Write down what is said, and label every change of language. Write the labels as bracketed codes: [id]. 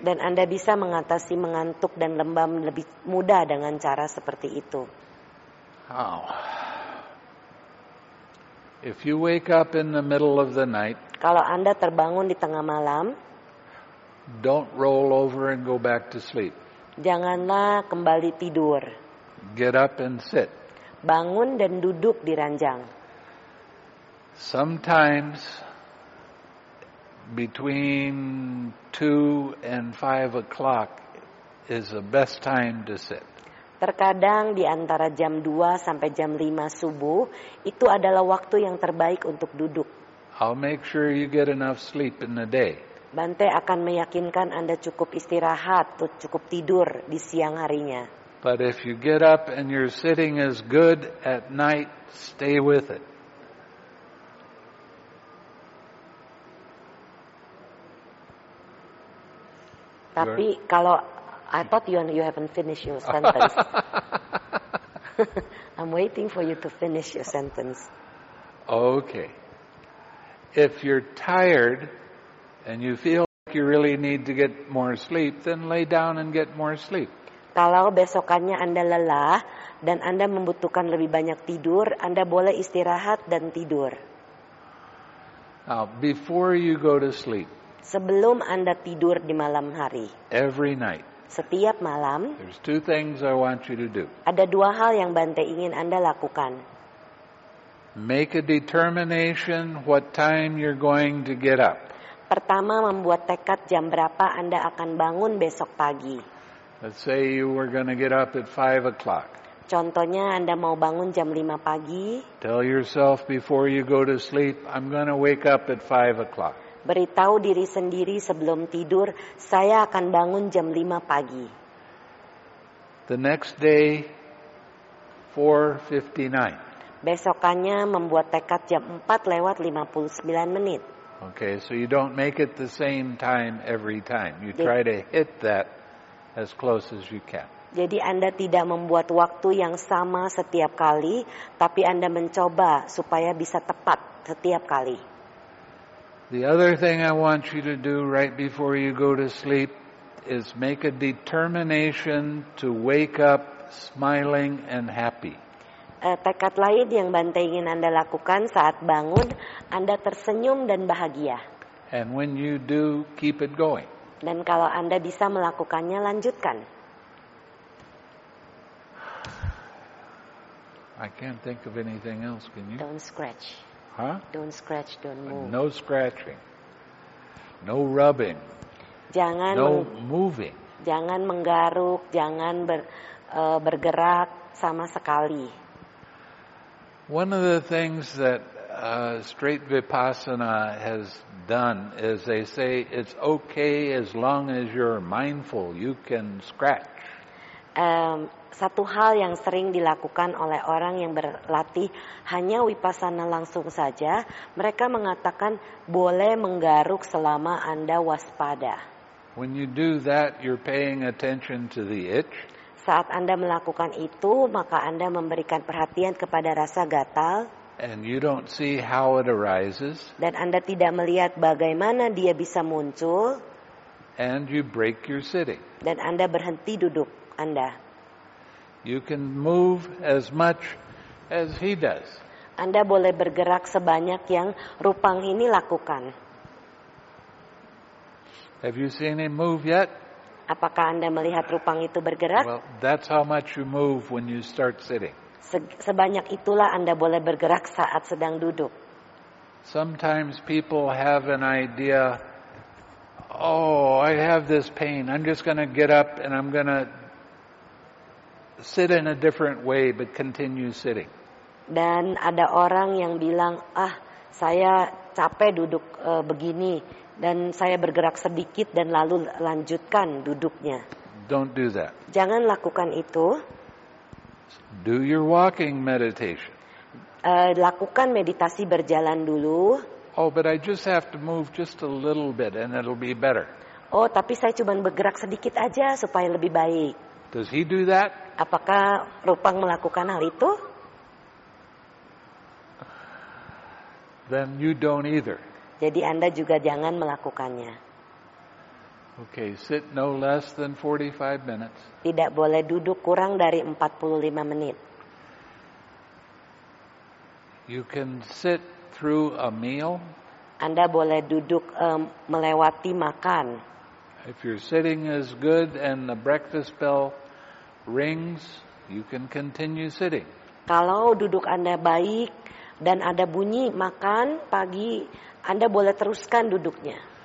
[id] Dan Anda bisa mengatasi mengantuk dan lembam lebih mudah dengan cara seperti itu. Oh. [en] If you wake up in the middle of the night, [id] kalau Anda terbangun di tengah malam, [en] don't roll over and go back to sleep. [id] Janganlah kembali tidur. [en] Get up and sit. [id] Bangun dan duduk di ranjang. [en] Sometimes between 2 and 5 o'clock is the best time to sit. [id] Terkadang di antara jam 2 sampai jam 5 subuh, itu adalah waktu yang terbaik untuk duduk. [en] I'll make sure you get enough sleep in the day. [id] Bante akan meyakinkan Anda cukup istirahat atau cukup tidur di siang harinya. [en] But if you get up and your sitting is good at night, stay with it. [id] Tapi kalau [en] I thought you haven't finished your sentence. I'm waiting for you to finish your sentence. Okay. If you're tired and you feel like you really need to get more sleep, then lay down and get more sleep. [id] Kalau besokannya Anda lelah dan Anda membutuhkan lebih banyak tidur, Anda boleh istirahat dan tidur. [en] Now, before you go to sleep. [id] Sebelum Anda tidur di malam hari. [en] Every night. [id] Setiap malam, [en] there's two things I want you to do. [id] Ada dua hal yang Bante ingin Anda lakukan. [en] Make a determination what time you're going to get up. [id] Pertama, membuat tekad jam berapa Anda akan bangun besok pagi. [en] Let's say you were going to get up at 5 o'clock. [id] Contohnya, Anda mau bangun jam 5 pagi. [en] Tell yourself before you go to sleep, I'm going to wake up at 5 o'clock. [id] Beritahu diri sendiri sebelum tidur, saya akan bangun jam 5 pagi. [en] The next day, 4:59. [id] Besokannya membuat tekad jam 4 lewat 59 menit. [en] Okay, so you don't make it the same time every time. You try to hit that as close as you can. [id] Jadi Anda tidak membuat waktu yang sama setiap kali, tapi Anda mencoba supaya bisa tepat setiap kali. [en] The other thing I want you to do right before you go to sleep is make a determination to wake up smiling and happy. [id] Tekad lain yang Bante ingin Anda lakukan saat bangun, Anda tersenyum dan bahagia. [en] And when you do, keep it going. [id] Dan kalau Anda bisa melakukannya, lanjutkan. [en] I can't think of anything else, can you? Don't scratch. Huh? Don't scratch, don't move. No scratching. No rubbing. [id] Jangan [en] moving. [id] Jangan menggaruk, jangan bergerak sama sekali. [en] One of the things that straight vipassana has done is they say it's okay as long as you're mindful, you can scratch. [id] Satu hal yang sering dilakukan oleh orang yang berlatih hanya vipassana langsung saja, mereka mengatakan boleh menggaruk selama Anda waspada. [en] When you do that, you're paying attention to the itch. [id] Saat Anda melakukan itu, maka Anda memberikan perhatian kepada rasa gatal. [en] And you don't see how it arises. [id] Dan Anda tidak melihat bagaimana dia bisa muncul. [en] And you break your sitting. [id] Dan Anda berhenti duduk Anda. [en] You can move as much as he does. [id] Anda boleh bergerak sebanyak yang Rupang ini lakukan. [en] Have you seen him move yet? [id] Apakah Anda melihat Rupang itu bergerak? [en] Well, that's how much you move when you start sitting. [id] Sebanyak itulah Anda boleh bergerak saat sedang duduk. [en] Sometimes people have an idea, oh, I have this pain. I'm just going to get up and I'm going to sit in a different way but continue sitting. [id] Dan ada orang yang bilang, ah, saya capek duduk begini. Dan saya bergerak sedikit dan lalu lanjutkan duduknya. [en] Don't do that. [id] Jangan lakukan itu. [en] Do your walking meditation. [id] Lakukan meditasi berjalan dulu. [en] Oh, but I just have to move just a little bit and it'll be better. [id] Oh, tapi saya cuma bergerak sedikit aja supaya lebih baik. [en] Does he do that? [id] Apakah Rupang melakukan hal itu? [en] Then you don't either. [id] Jadi Anda juga jangan melakukannya. [en] Okay, sit no less than 45 minutes. [id] Tidak boleh duduk kurang dari 45 menit. [en] You can sit through a meal. [id] Anda boleh duduk melewati makan. [en] If your sitting is good and the breakfast bell rings, you can continue sitting. [id] Kalau duduk Anda baik dan ada bunyi makan pagi, Anda boleh teruskan duduknya.